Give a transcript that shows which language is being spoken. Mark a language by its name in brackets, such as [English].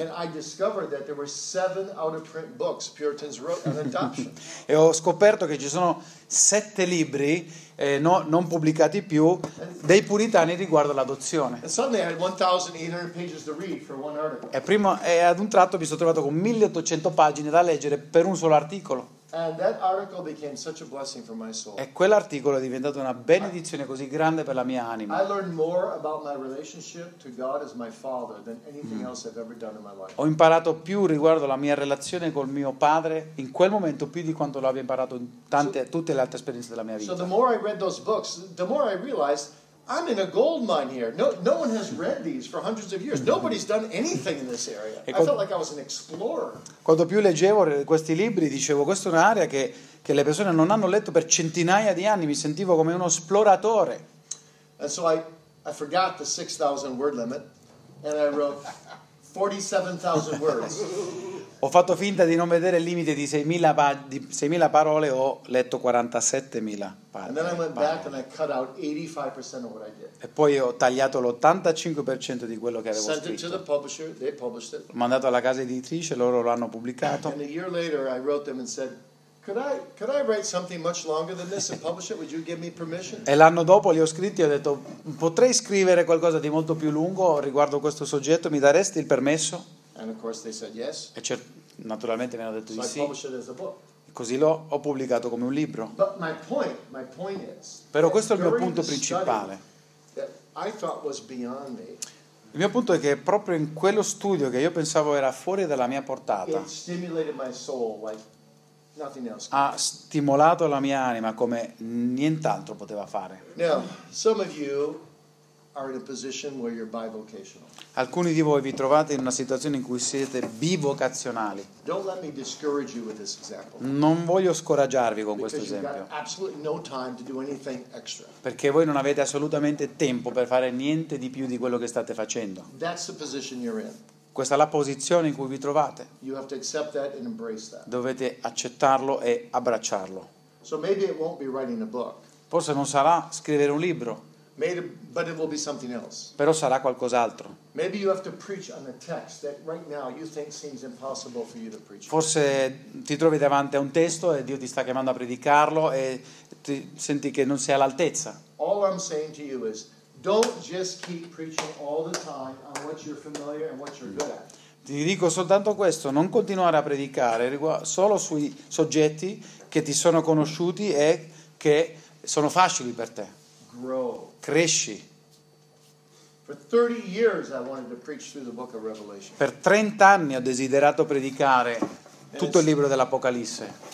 [English] And I discovered that there were 7 out of print books Puritans wrote on adoption. [Italian] E ho scoperto che ci sono 7 libri non pubblicati più dei puritani riguardo l'adozione. E prima e ad un tratto mi sono trovato con 1800 pagine da leggere per un solo articolo. [English] And that article became such a blessing for my soul. [Italian] E quell'articolo è diventato una benedizione così grande per la mia anima. [English] I learned more about my relationship to God as my father than anything else I've ever done in my life. [Italian] Ho imparato più riguardo la mia relazione col mio padre in quel momento più di quanto l'abbia imparato in tutte le altre esperienze della mia vita. [English] So the more I read those books, the more I realized I'm in a gold mine here. No one has read these for hundreds of years. Nobody's done anything in this area. I felt like I was an explorer. [Italian] Quando più leggevo questi libri, dicevo, questa è un'area che le persone non hanno letto per centinaia di anni. Mi sentivo come uno esploratore. [English] And so I forgot the 6,000 word limit and I wrote 47,000 words. [Italian] Ho fatto finta di non vedere il limite di 6.000 parole, ho letto 47.000 parole. E poi ho tagliato l'85% di quello che avevo [English] sent [Italian] scritto. [English] It to the publisher, they published it. [Italian] Ho mandato alla casa editrice, loro lo hanno pubblicato. [English] And a year later I wrote them and said, Could I write something much longer than this and publish it? Would you give me permission? [Italian] E l'anno dopo li ho scritti e ho detto, potrei scrivere qualcosa di molto più lungo riguardo questo soggetto, mi daresti il permesso? [English] And of course they said yes. [Italian] E naturalmente mi hanno detto [English] so [Italian] di [English] I [Italian] sì. [English] Published it as a book. [Italian] Così l'ho pubblicato come un libro. [English] But my point is, [Italian] però questo è il mio punto principale. [English] I thought was beyond me. [Italian] Il mio punto è che proprio in quello studio che io pensavo era fuori dalla mia portata, [English] it stimulated my soul like nothing else. [Italian] Ha stimolato la mia anima come nient'altro poteva fare. [English] Now, some of you are in a position where you're bivocational. [Italian] Alcuni di voi vi trovate in una situazione in cui siete bivocazionali. [English] Don't let me discourage you with this example. [Italian] Non voglio scoraggiarvi con questo esempio. [English] Because you've got absolutely no time to do anything extra. [Italian] Perché voi non avete assolutamente tempo per fare niente di più di quello che state facendo. [English] That's the position you're in. [Italian] Questa è la posizione in cui vi trovate. [English] You have to accept that and embrace that. [Italian] Dovete accettarlo e abbracciarlo. [English] So maybe it won't be writing a book. [Italian] Forse non sarà scrivere un libro. [English] Maybe, but it will be something else. [Italian] Però sarà qualcos'altro. [English] Maybe you have to preach on a text that right now you think seems impossible for you to preach. [Italian] Forse ti trovi davanti a un testo e Dio ti sta chiamando a predicarlo e ti senti che non sei all'altezza. [English] All I'm saying to you is don't just keep preaching all the time on what you're familiar and what you're good at. [Italian] Ti dico soltanto questo, non continuare a predicare solo sui soggetti che ti sono conosciuti e che sono facili per te. [English] Grow. [Italian] Cresci. [English] For 30 years I wanted to preach through the book of Revelation. [Italian] Per 30 anni ho desiderato predicare tutto il libro dell'Apocalisse.